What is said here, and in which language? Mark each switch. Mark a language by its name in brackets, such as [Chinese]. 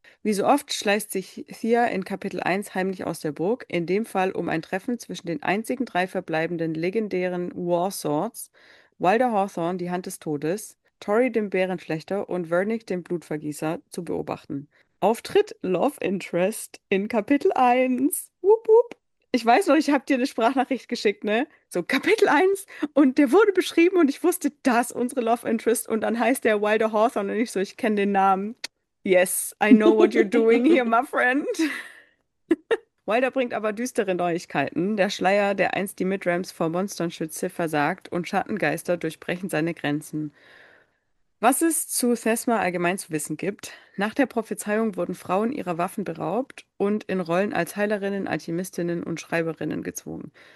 [German] Wie so oft schleicht sich Thea in Kapitel 1 heimlich aus der Burg, in dem Fall um ein Treffen zwischen den einzigen drei verbleibenden legendären Warswords, Wilder Hawthorn, die Hand des Todes, Tori, dem Bärenschlechter, und Vernick, dem Blutvergießer, zu beobachten. Auftritt Love Interest in Kapitel 1. Wupp, wupp. Ich weiß noch, ich habe dir eine Sprachnachricht geschickt, ne? So, Kapitel 1. Und der wurde beschrieben und ich wusste, das ist unsere Love Interest. Und dann heißt der Wilder Hawthorn und ich so, ich kenne den Namen. [English] Yes, I know what you're doing here, my friend. [German] Wilder bringt aber düstere Neuigkeiten. Der Schleier, der einst die Midrealms vor Monstern schütze, versagt und Schattengeister durchbrechen seine Grenzen. Was es zu Thesma allgemein zu wissen gibt, nach der Prophezeiung wurden Frauen ihrer Waffen beraubt und in Rollen als Heilerinnen, Alchemistinnen und Schreiberinnen gezwungen.